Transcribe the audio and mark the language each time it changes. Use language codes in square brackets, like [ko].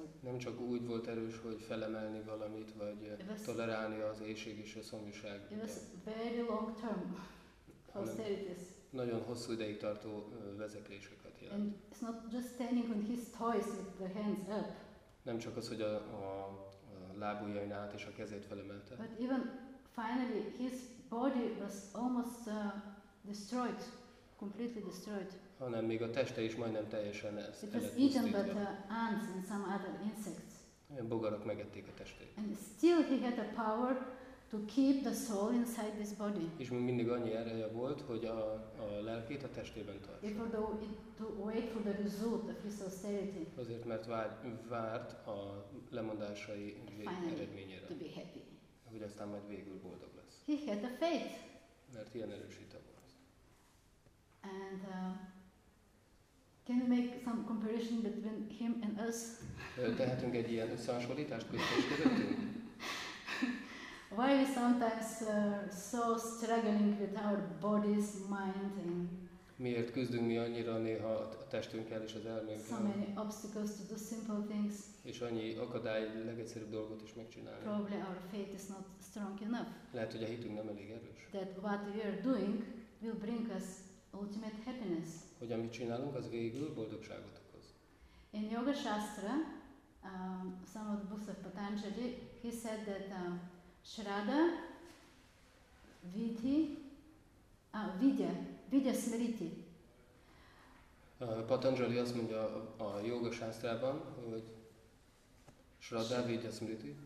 [hu] Nem csak úgy volt erős, hogy felemelni valamit, vagy tolerálni az éhség és a szomjúság. [en] It was very long term austerities. [hu] Nagyon hosszú ideig tartó vezetéseket jelent. [en] And it's not just standing on his toes with the hands up. [hu] Nem csak az, hogy a lábujjain át és a kezét felemelte. [en] But even finally his body was almost destroyed, completely destroyed. [hu] Hanem még a teste is majdnem teljesen ez. [en] It was eaten by the ants and some other insects. [hu] Ilyen bogarak megették a testét. [en] And still he had the power to keep the soul inside this body. [hu] És mindig annyi ereje volt, hogy a lelkét a testében tartsa. [en] Even though it to wait for the result of his austerity. [hu] Azért mert várt a lemondásai eredményére. [en] To be happy. [hu] hogy aztán majd végül boldog lesz. [en] He had the faith. [hu] Mert ilyen erős hite volt. [en] And can you make some comparison between him and us? [hu] Tehetünk egy ilyen összehasonlítást Krisztus közöttünk? [en] Why we sometimes so struggling with our bodies, mind and [hu] miért küzdünk mi annyira néha a testünkkel és az elménkkel? [en] So many obstacles to do simple things. [hu] És annyi akadály, legegyszerűbb dolgot is megcsinálni. [en] Probably our faith is not strong enough. [hu] Lehet, hogy a hitünk nem elég erős. [en] That what we are doing will bring us ultimate happiness. [hu] Hogy amit csinálunk, az végül boldogságot okoz. [en] In Yoga Shastra, some of the books of Patanjali, he said that Shraddha, Vidhi, Vidya, Vidya Smriti. [hu] Patanjali azt mondja a Yoga Shastrában, hogy Shraddha, Vidya Smriti.